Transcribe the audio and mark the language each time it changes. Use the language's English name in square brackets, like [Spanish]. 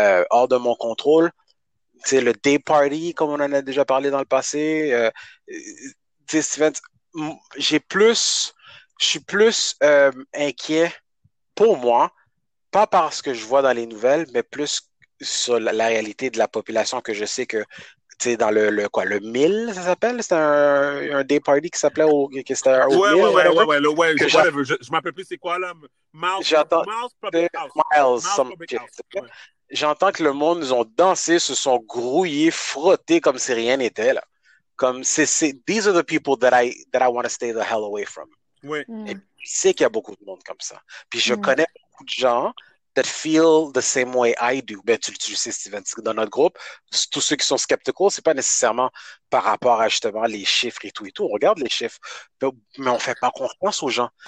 [French] hors de mon contrôle, tu sais, le day party, comme on en a déjà parlé dans le passé, tu sais, Steven, je suis plus inquiet pour moi, pas parce que je vois dans les nouvelles, mais plus sur la réalité de la population que je sais que c'est dans le quoi, le 1000, ça s'appelle? C'était un day party qui s'appelait au 1000? Je m'appelle plus, c'est quoi, là? Miles Public House. J'entends que le monde, ils ont dansé, se sont grouillés, frottés comme si rien n'était, là. Comme, c'est [English] these are the people that I want to stay the hell away from. [French] Oui. Et je sais qu'il y a beaucoup de monde comme ça. Puis je connais beaucoup de gens [English] that feel the same way I do. [French] Ben, tu le sais, Steven, dans notre groupe, tous ceux qui sont skeptical, c'est pas nécessairement par rapport à justement les chiffres et tout. On regarde les chiffres, mais on fait pas confiance aux gens.